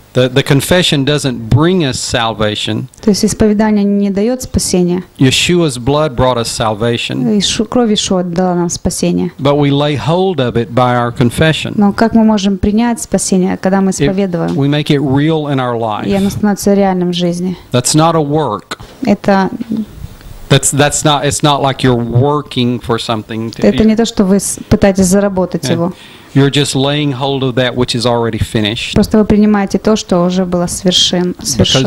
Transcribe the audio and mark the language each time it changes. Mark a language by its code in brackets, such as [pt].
[en] The confession doesn't bring us salvation. [ru] То есть исповедание не дает спасения. [en] Yeshua's blood brought us salvation. [ru] Кровь Иешуа дала нам спасение. [en] But we lay hold of it by our confession. [ru] Но как мы можем принять спасение, когда мы исповедуем? [en] We make it real in our life. [ru] И оно становится реальным в жизни. [en] That's not a work. [ru] Это [en] That's not. It's not like you're working for something. [ru] Это не то, что вы пытаетесь заработать его. [en] You're just laying hold of that which is already finished. [ru] Просто вы принимаете то, что уже было свершившимся.